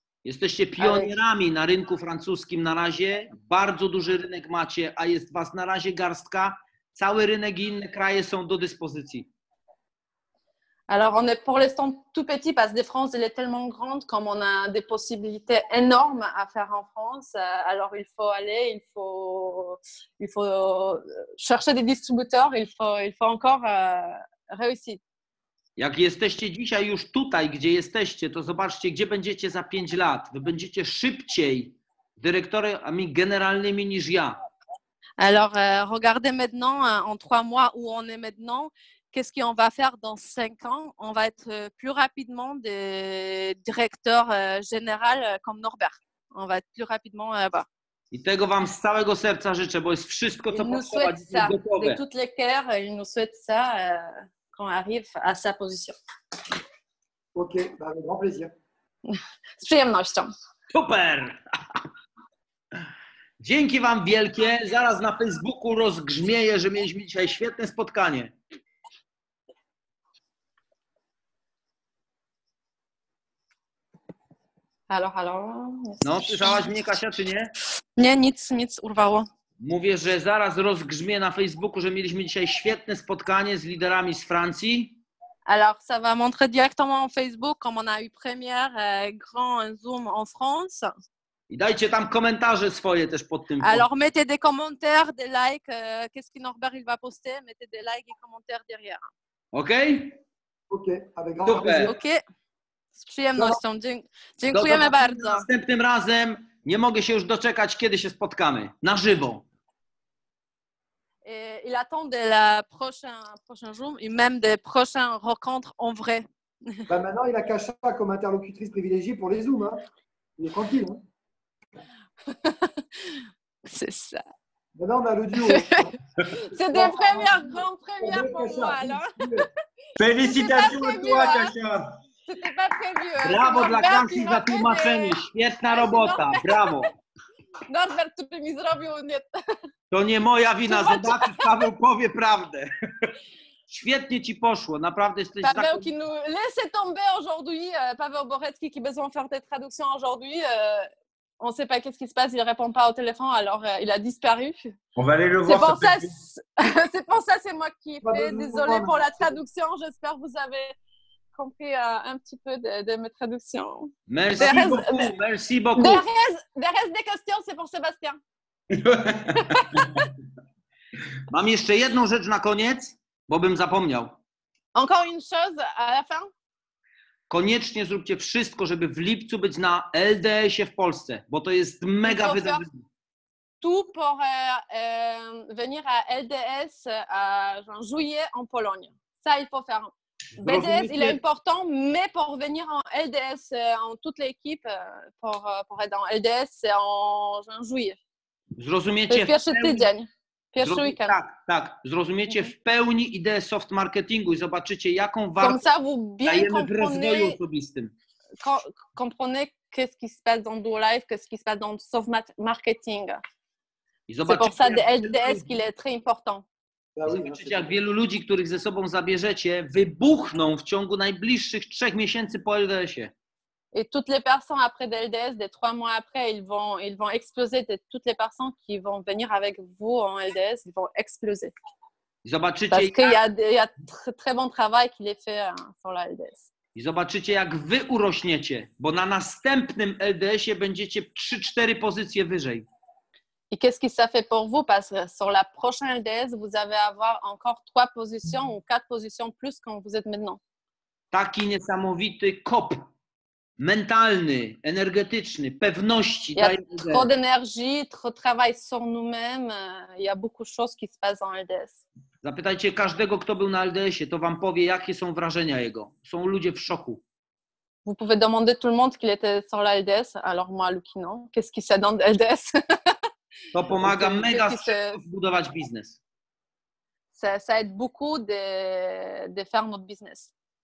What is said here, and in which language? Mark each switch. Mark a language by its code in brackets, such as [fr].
[pl] Jesteście pionierami na rynku francuskim na razie. Bardzo duży rynek macie, a jest was na razie garstka. Cały rynek i inne kraje są do dyspozycji. [fr] Alors, on est pour l'instant tout petit parce que la France elle est tellement grande, comme on a des possibilités énormes à faire en France. Alors, il faut chercher des distributeurs, il faut encore réussir. [pl] Jak jesteście dzisiaj już tutaj, gdzie jesteście, to zobaczcie, gdzie będziecie za 5 lat. Wy będziecie szybciej dyrektorami generalnymi niż ja. [fr] Alors, regardez maintenant en 3 mois où on est maintenant. Qu'est-ce qu'on va faire dans 5 ans? On va être plus rapidement des directeurs généraux comme Norbert. On va être plus rapidement là-bas. [pl] I tego wam z całego serca życzę, bo jest wszystko, co potrzeba, jest gotowe. [fr] De toutes les cœurs, ils nous souhaitent ça quand on arrive à sa position. Ok, bah, avec grand plaisir. [pl] Z przyjemnością. Super! Dzięki Wam wielkie. Zaraz na Facebooku rozgrzmieje, że mieliśmy dzisiaj świetne spotkanie. Halo, halo. No, słyszałaś mnie, Kasia, czy nie? Nie, nic urwało. Mówię, że zaraz rozgrzmie na Facebooku, że mieliśmy dzisiaj świetne spotkanie z liderami z Francji. [fr] Alors, ça va montrer directement en Facebook, comme on a eu première grand Zoom en France. [pl] I dajcie tam komentarze swoje też pod tym. [fr] Alors, pod... mettez des commentaires, des likes. Qu'est-ce que Norbert il va poster? Mettez des likes et commentaires derrière. OK? OK, avec grand plaisir. [pl] OK. Z przyjemnością. Dziękujemy bardzo. Następnym razem nie mogę się już doczekać, kiedy się spotkamy. Na żywo. [fr] Il attend de la prochain jour et même des prochaines rencontres en vrai. Bah maintenant, il a Kasia comme interlocutrice privilégiée pour les Zooms. Hein. Il est tranquille. Hein. C'est ça. Maintenant, on a le duo. C'est des premières, grandes premières pour Kasia, moi. Alors. Félicitations à toi, Kasia. C'était pas prévu. Bravo de la Kasia pour tout ma chaîne. [pl] Świetna robota. Bravo. Norbert, który mi zrobił, nie... To nie moja wina, zobacz, Paweł powie prawdę. Świetnie ci poszło, naprawdę jesteś... Paweł, tak... [fr] qui nous laisse tomber aujourd'hui, Paweł Borecki, qui besoin faire des traductions aujourd'hui, on sait pas qu'est-ce qui se passe, il répond pas au téléphone, alors il a disparu. On va aller le c'est voir. Pour ça, c'est pour ça, c'est moi qui ai fait, désolé pour la traduction, j'espère que vous avez compris un petit peu de mes traductions. Merci beaucoup. [en] There is [fr] des questions, c'est pour Sébastien. [pl] Mam jeszcze jedną rzecz na koniec, bo bym zapomniał. [fr] Encore une chose à la fin? [pl] Koniecznie zróbcie wszystko, żeby w lipcu być na LDS-ie w Polsce, bo to jest mega wydarzenie. [fr] Tout pour venir à LDS en juillet en Pologne. Ça il faut faire. BDS, il est important, mais pour venir en LDS, en toute l'équipe, pour être en LDS, c'est en juillet. [pl] Zrozumiecie. Pierwszy tydzień, pierwszy weekend. Tak, zrozumiecie w pełni ideę soft marketingu i zobaczycie, jaką wartość dajemy w rozwoju osobistym. [fr] Comprenez, qu'est-ce qui se passe dans Duo Life, qu'est-ce qui se passe dans soft marketing. C'est pour ça, LDS, qu'il est très important. [pl] Zobaczycie, jak wielu ludzi, których ze sobą zabierzecie, wybuchną w ciągu najbliższych 3 miesięcy po LDS-ie. [fr] Et toutes les personnes après LDS, des 3 mois après, ils vont exploser. Toutes les personnes qui vont venir avec vous en LDS, ils vont exploser. [pl] Zobaczycie, [fr] parce qu'il y a très bon travail qu'il est fait sur la LDS. [pl] I zobaczycie, jak wy urośniecie, bo na następnym LDS-ie będziecie 3-4 pozycje wyżej. [fr] Et qu'est-ce que ça fait pour vous? Parce que sur la prochaine LDS, vous allez avoir encore 3 positions ou 4 positions plus quand vous êtes maintenant. [pl] Taki niesamowity kop. Mentalny, energetyczny, pewności. [fr] Il y a trop d'énergie, trop de travail sur nous-mêmes. Il y a beaucoup de choses qui se passent en LDS. [pl] Zapytajcie każdego, kto był na LDS-ie, to wam powie, jakie są wrażenia jego. Są ludzie w szoku. [fr] Vous pouvez demander tout le monde qui était sur la LDS, alors moi, Luki, non. Qu'est-ce qui se donne de LDS? [pl] To pomaga mega zbudować biznes. [fr] Ça aide beaucoup de faire notre business.